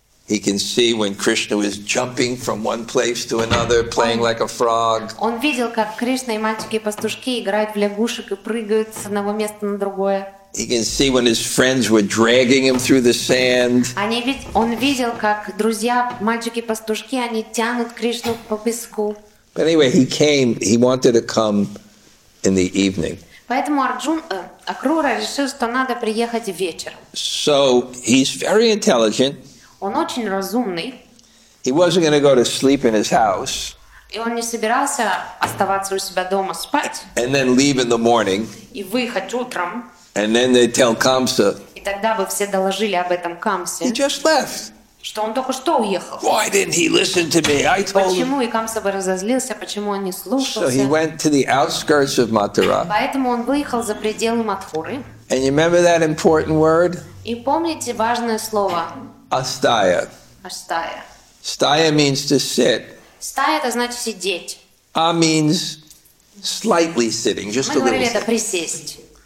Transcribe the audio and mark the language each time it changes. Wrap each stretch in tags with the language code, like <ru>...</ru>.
<en>He can see when Krishna was jumping from one place to another, playing like a frog.</en> <ru>Он видел, как Кришна и мальчики-пастушки играют в лягушек и прыгают с одного места на другое.</ru> <en>He can see when his friends were dragging him through the sand.</en> <ru>Он видел, как друзья, мальчики-пастушки, они тянут Кришну по песку.</ru> <en>But anyway, he came. He wanted to come in the evening.</en> <ru>Поэтому Акрура решил, что надо приехать вечером.</ru> <en>So he's very intelligent.</en> <ru>Он очень разумный.</ru> <en>He wasn't going to go to sleep in his house.</en> <ru>И он не собирался оставаться у себя дома спать.</ru> <en>And then leave in the morning.</en> <ru>И выехать утром.</ru> <en>And then they tell Камса.</en> <ru>И тогда бы все доложили об этом Камсе.</ru> <en>He just left.</en> <ru>Что он только что уехал.</ru> <en>Why didn't he listen to me? I told him.</en> <ru>Почему и Камса бы разозлился, почему он не слушался?</ru> <en>So he went to the outskirts of Mathura.</en> <ru>Поэтому он выехал за пределы Матхуры.</ru> <en>And you remember that important word?</en> <ru>И помните важное слово?</ru> <sa>Astaya. Astaya.</sa> <en>Staya means to sit.</en> <ru>Staya это значит сидеть.</ru> <en>A means slightly sitting, just</en> <ru>мы Мы говорили это присесть.</ru>